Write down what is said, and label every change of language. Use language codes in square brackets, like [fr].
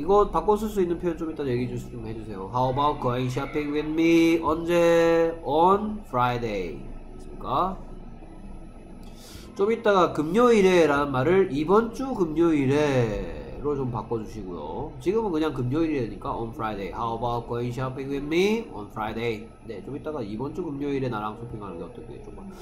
[ko] 이거 바꿔 쓸 수 있는 표현 좀 이따 얘기 좀 해주세요. [en] How about going shopping with me? [ko] 언제? [en] On Friday. [ko] 됐습니까? 좀 이따가 금요일에 라는 말을 이번 주 금요일에 로 좀 바꿔주시고요. 지금은 그냥 금요일이니까 [en] on Friday. How about going shopping with me on Friday? [ko] 네, 좀 이따가 이번 주 금요일에 나랑 쇼핑하는 게 어떻게 좀.